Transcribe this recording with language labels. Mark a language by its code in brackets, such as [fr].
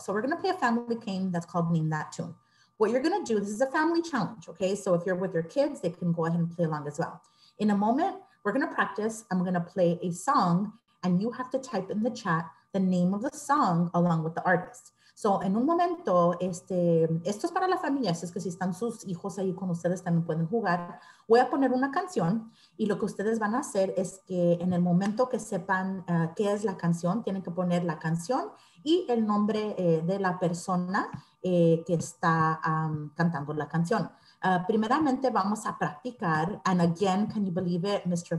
[en] So we're gonna play a family game that's called Name That Tune. What you're gonna do, this is a family challenge, okay? So if you're with your kids, they can go ahead and play along as well. In a moment, we're gonna practice. I'm gonna play a song and you have to type in the chat the name of the song along with the artist. [es] So en un momento, esto es para la familia, es que si están sus hijos ahí con ustedes también pueden jugar. Voy a poner una canción y lo que ustedes van a hacer es que en el momento que sepan qué es la canción, tienen que poner la canción y el nombre de la persona que está cantando la canción. Primeramente vamos a practicar, [en] and again, can you believe it, Mr.